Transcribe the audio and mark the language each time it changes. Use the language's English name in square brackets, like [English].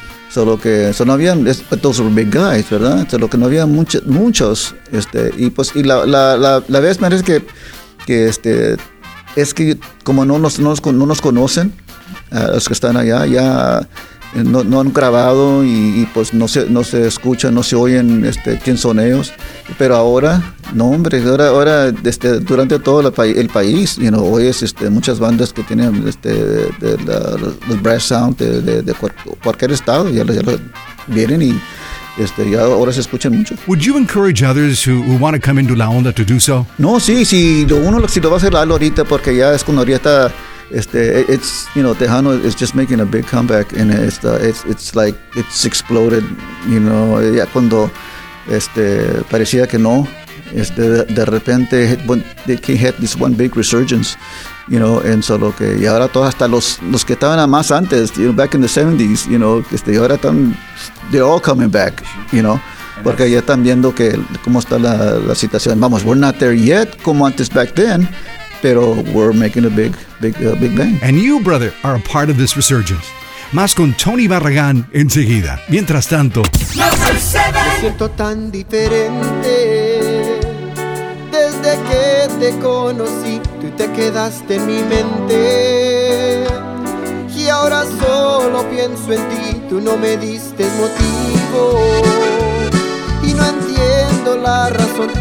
[Spanish] Solo que no había, [English] those were big guys, [Spanish] ¿verdad? Solo que no había muchos, y la vez más es que como no nos conocen, los que están allá, ya no han grabado y pues no se escuchan, no se oyen quién son ellos. Pero ahora, no hombre, ahora durante todo el país, oyes muchas bandas que tienen los brass sound de cualquier estado, ya lo vienen y ya ahora se escuchan mucho. [English] Would you encourage others who want to come into La Onda to do so? [Spanish] No, sí, uno si lo va a hacer ahorita porque ya es cuando ahorita [English] it's Tejano is just making a big comeback and it's like it's exploded, [Spanish] ya cuando parecía que no, de repente [English] they had this one big resurgence, [Spanish] and so lo que y ahora todos hasta los que estaban más antes, [English] back in the 70s, [Spanish] y ahora están, [English] they're all coming back, [Spanish] porque ya están viendo que cómo está la situación. Vamos, [English] we're not there yet [Spanish] como antes [English] back then, [Spanish] pero [English] we're making a big bang. And you, brother, are a part of this resurgence. [Spanish] Más con Tony Barragán enseguida. Mientras tanto, [English] number 7. [Spanish] Me siento tan diferente desde que te conocí. Tú te quedaste en mi mente y ahora solo pienso en ti. Tú no me diste motivo y no entiendo la razón.